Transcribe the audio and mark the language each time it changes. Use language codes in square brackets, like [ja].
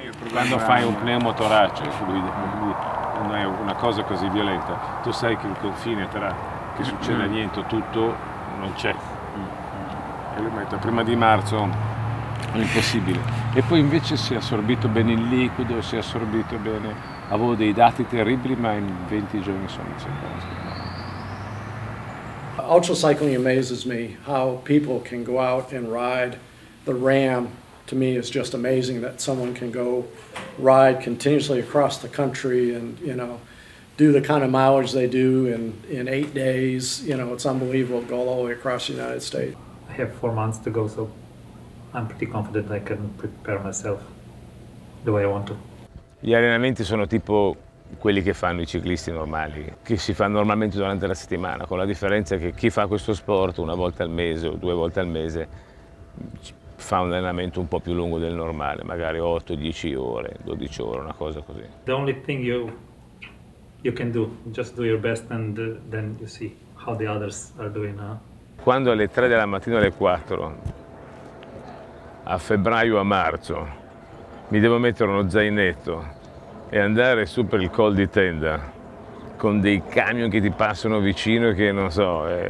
[it] Quando fai un pneumotorace, quando hai una cosa così violenta, tu sai che il confine tra che succede niente o tutto non c'è. E lui mette, prima di marzo è impossibile. E poi invece si è assorbito bene il liquido, si è assorbito bene. Avevo dei dati terribili, ma in 20 giorni sono sempre. [en] Ultra cycling amazes me how people can go out and ride the ram. To me, it's just amazing that someone can go ride continuously across the country and, you know, do the kind of mileage they do in 8 days. You know, it's unbelievable, go all the way across the United States. I have 4 months to go, so I'm pretty confident I can prepare myself the way I want to. [it] Gli allenamenti sono tipo quelli che fanno i ciclisti normali, che si fanno normalmente durante la settimana, con la differenza che chi fa questo sport una volta al mese o due volte al mese fa un allenamento un po' più lungo del normale, magari 8, 10 ore, 12 ore, una cosa così. [en] The only thing you can do, just do your best and then you see how the others are doing. [it] Quando alle 3 della mattina, alle 4, a febbraio, a marzo, mi devo mettere uno zainetto e andare su per il Col di Tenda con dei camion che ti passano vicino e che non so,